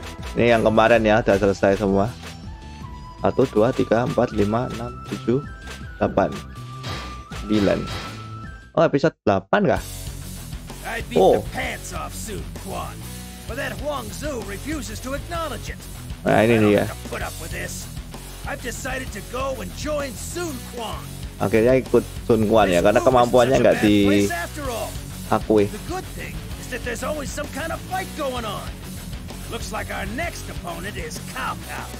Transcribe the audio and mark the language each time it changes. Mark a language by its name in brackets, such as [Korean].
[Indonesian] Ini yang kemarin ya, udah selesai semua. 1, 2, 3, 4, 5, 6, 7, 8, 9. Oh, episode 8 kah? [English] I beat the pants off Sun Quan, but that Huang Zu refuses to acknowledge it. [Indonesian] Nah, ini dia. [English] I don't have to put up with this. I've decided to go and join Sun Quan. [Indonesian] Akhirnya ikut Sun Quan ya, karena kemampuannya nggak diakui. [English] The good thing is that there's always some kind of fight going on. Looks like our next opponent is Cao Cao.